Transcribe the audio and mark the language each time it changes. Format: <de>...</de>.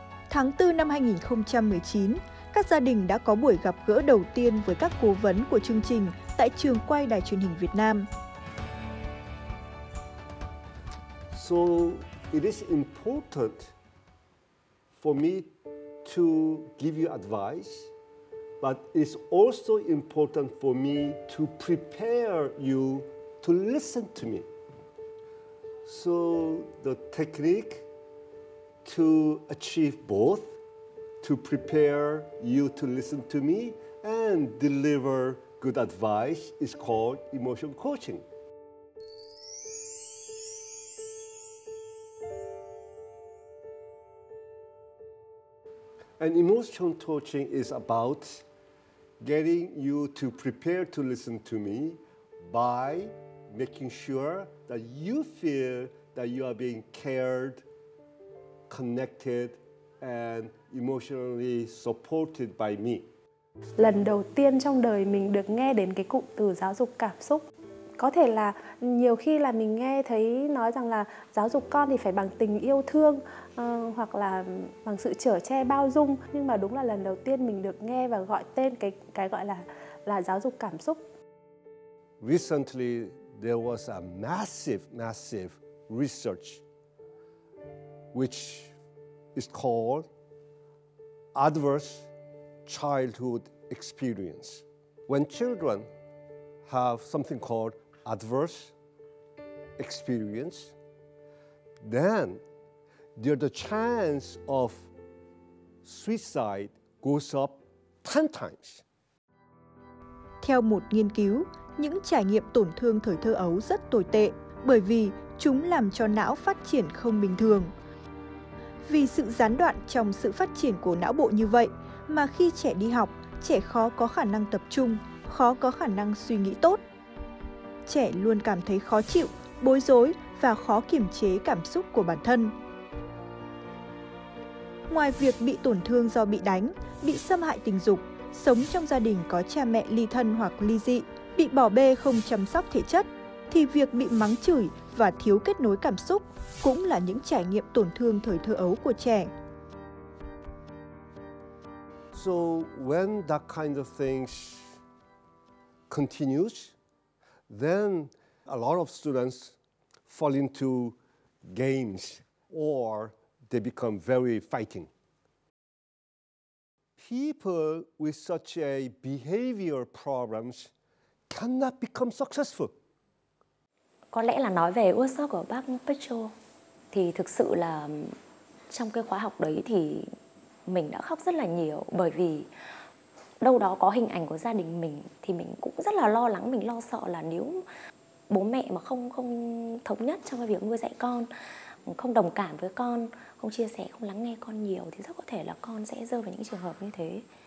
<vi>Tháng 4 năm 2019, các gia đình đã có buổi gặp gỡ đầu tiên với các cố vấn của chương trình tại trường quay Đài Truyền hình Việt Nam.</vi> <en>So it is important for me to give you advice, but it's also important for me to prepare you to listen to me. So the technique to achieve both, to prepare you to listen to me and deliver good advice, is called emotion coaching. And emotion coaching is about getting you to prepare to listen to me by making sure that you feel that you are being cared, connected, and emotionally supported by me.</en> <vi>Lần đầu tiên trong đời mình được nghe đến cái cụm từ giáo dục cảm xúc. Có thể là nhiều khi là mình nghe thấy nói rằng là giáo dục con thì phải bằng tình yêu thương hoặc là bằng sự chở che bao dung. Nhưng mà đúng là lần đầu tiên mình được nghe và gọi tên cái gọi là giáo dục cảm xúc.</vi> <en>Recently, there was a massive research which is called Adverse Childhood Experience. When children have something called adverse experience, then the chance of suicide goes up 10 times.</en> <vi>Theo một nghiên cứu, những trải nghiệm tổn thương thời thơ ấu rất tồi tệ bởi vì chúng làm cho não phát triển không bình thường. Vì sự gián đoạn trong sự phát triển của não bộ như vậy mà khi trẻ đi học, trẻ khó có khả năng tập trung, khó có khả năng suy nghĩ tốt. Trẻ luôn cảm thấy khó chịu, bối rối và khó kiềm chế cảm xúc của bản thân. Ngoài việc bị tổn thương do bị đánh, bị xâm hại tình dục, sống trong gia đình có cha mẹ ly thân hoặc ly dị, bị bỏ bê không chăm sóc thể chất, thì việc bị mắng chửi và thiếu kết nối cảm xúc cũng là những trải nghiệm tổn thương thời thơ ấu của trẻ.</vi> <en>So when that kind of things continues, then a lot of students fall into games or they become very fighting. People with such a behavior problems cannot become successful.</en> <vi>Có lẽ là nói về workshop của bác Petro thì thực sự là trong cái khóa học đấy thì mình đã khóc rất là nhiều, bởi vì đâu đó có hình ảnh của gia đình mình thì mình cũng rất là lo lắng, mình lo sợ là nếu bố mẹ mà không thống nhất trong cái việc nuôi dạy con, không đồng cảm với con, không chia sẻ, không lắng nghe con nhiều thì rất có thể là con sẽ rơi vào những trường hợp như thế.</vi>